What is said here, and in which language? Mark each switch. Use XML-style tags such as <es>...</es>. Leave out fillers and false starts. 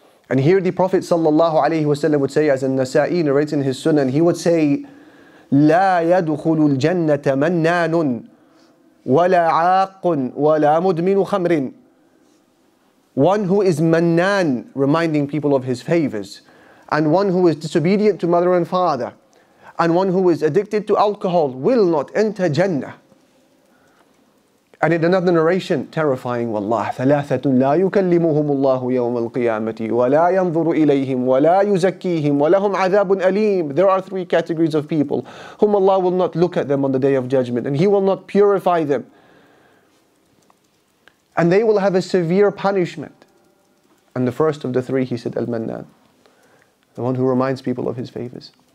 <en>And here the Prophet sallallahu alayhi wasallam would say, as An-Nasa'i narrates in his Sunan, he would say,</en> <ar>لَا يَدْخُلُ الْجَنَّةَ مَنَّانٌ وَلَا عَاقٌ وَلَا مُدْمِنُ خَمْرٍ.</ar> <en>One who is mannan, reminding people of his favors, and one who is disobedient to mother and father, and one who is addicted to alcohol, will not enter Jannah. And in another narration, terrifying, wallah,</en> <ar>ثَلَاثَةٌ لَا يُكَلِّمُهُمُ اللَّهُ يَوْمَ الْقِيَامَةِ وَلَا يَنْظُرُ إِلَيْهِمْ وَلَا يُزَكِّيهِمْ وَلَهُمْ عَذَابٌ أَلِيمٌ.</ar> <en>There are three categories of people whom Allah will not look at them on the Day of Judgment, and He will not purify them. And they will have a severe punishment. And the first of the three, he said, Al-Mannan, the one who reminds people of his favors.</en>